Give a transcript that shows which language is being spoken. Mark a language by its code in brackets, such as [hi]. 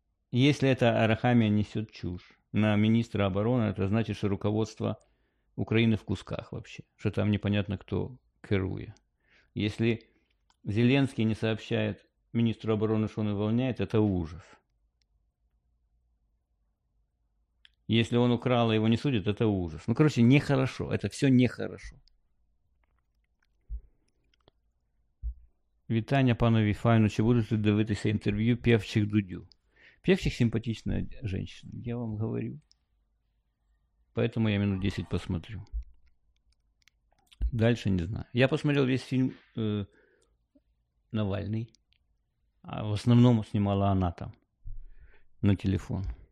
[ru] Если это Арахамия несет чушь на министра обороны, это значит, что руководство Украины в кусках вообще, что там непонятно кто керуя. Если Зеленский не сообщает министру обороны, что он увольняет, это ужас. Если он украл и его не судит, это ужас. Ну, короче, нехорошо, это все нехорошо. [uk] Вітання, пану Віфайну, чи будете дивитися інтерв'ю Певчих Дудю? Певчих симпатична жінка, я вам говорю. [ru] Поэтому я минут 10 посмотрю. Дальше не знаю. Я посмотрел весь фильм Навальний. А в основному снимала она там. На телефон.